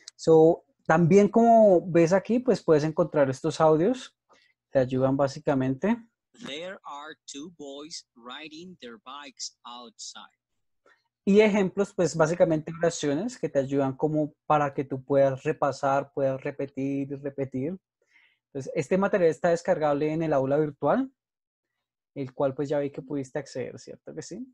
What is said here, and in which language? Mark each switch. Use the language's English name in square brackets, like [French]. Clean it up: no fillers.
[Spanish] So, también como ves aquí, pues puedes encontrar estos audios. Te ayudan básicamente. [English] There are two boys riding their bikes outside. [Spanish] Y ejemplos, pues básicamente oraciones que te ayudan como para que tú puedas repasar, puedas repetir y repetir. Entonces, este material está descargable en el aula virtual, el cual pues ya vi que pudiste acceder, ¿cierto que sí?